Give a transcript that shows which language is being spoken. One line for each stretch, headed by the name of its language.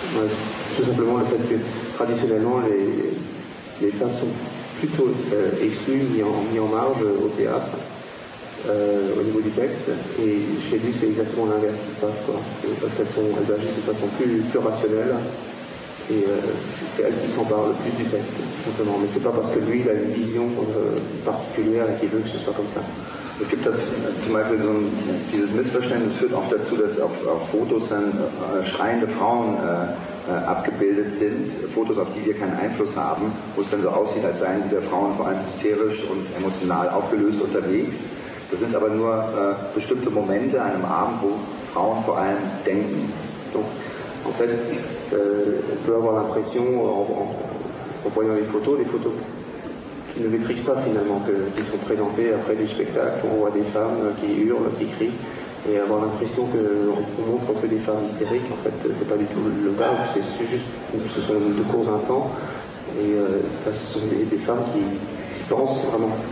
German: Das ist
French: tout simplement le fait que traditionnellement les femmes sont plutôt exclues, mis en marge au théâtre, au niveau du texte, et chez lui c'est exactement l'inverse de ça, quoi. Parce qu'elles agissent de façon plus rationnelle. Et c'est elle qui s'empare le plus du texte, simplement. Mais c'est pas parce que lui, il a une vision particulière et qu'il veut que ce soit comme ça.
German: Es gibt das, zum Beispiel so dieses Missverständnis führt auch dazu, dass auf Fotos dann schreiende Frauen abgebildet sind, Fotos, auf die wir keinen Einfluss haben, wo es dann so aussieht, als seien diese Frauen vor allem hysterisch und emotional aufgelöst unterwegs. Das sind aber nur bestimmte Momente an einem Abend, wo Frauen vor allem denken.
French: En fait, on peut avoir l'impression, en voyant les photos qui ne maîtrisent pas finalement, qui sont présentées après du spectacle, où on voit des femmes qui hurlent, qui crient, et avoir l'impression qu'on montre que des femmes hystériques, en fait, c'est pas du tout le cas, c'est juste que ce sont de courts instants, et ce sont des femmes qui pensent vraiment.